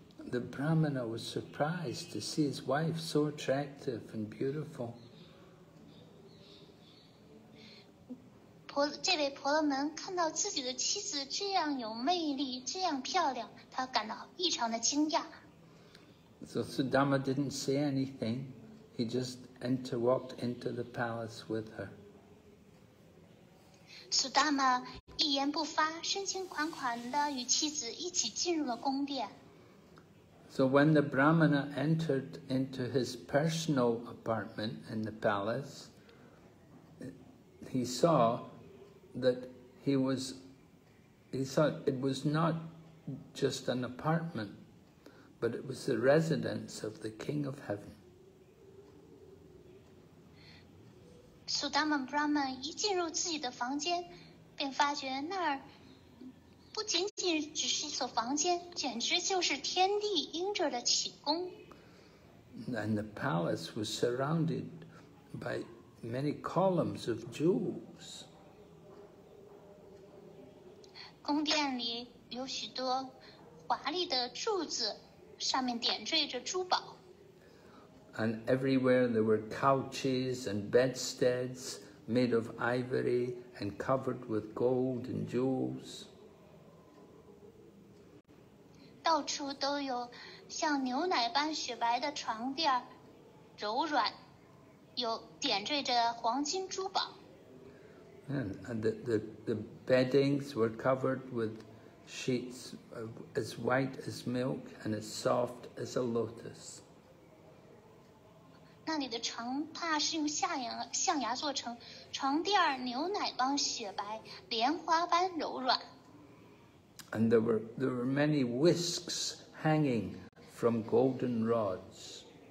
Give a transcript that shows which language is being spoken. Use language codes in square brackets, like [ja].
[en] The Brahmana was surprised to see his wife so attractive and beautiful. [zh] 这位婆罗门看到自己的妻子这样有魅力，这样漂亮，他感到异常的惊讶。 [en] So Sudama didn't say anything. He just walked into the palace with her. [zh] Sudama 一言不发，深情款款地与妻子一起进入了宫殿。 [en] So when the Brahmana entered into his personal apartment in the palace, he saw that he thought it was not just an apartment, but it was the residence of the King of Heaven. [zh] Sudama Brahman 一进入自己的房间，便发觉那儿不仅仅只是一所房间，简直就是天地应者的寝宫。 [en] And the palace was surrounded by many columns of jewels. [zh] 宫殿里有许多华丽的柱子，上面点缀着珠宝。 [en] And everywhere there were couches and bedsteads made of ivory and covered with gold and jewels. [zh] 到处都有像牛奶般雪白的床垫，柔软，有点缀着黄金珠宝。 [en] And the beddings were covered with sheets as white as milk and as soft as a lotus. [zh] 那里的床榻是用象牙做成，床垫牛奶般雪白，莲花般柔软。 [en] And there were many whisks hanging from golden rods.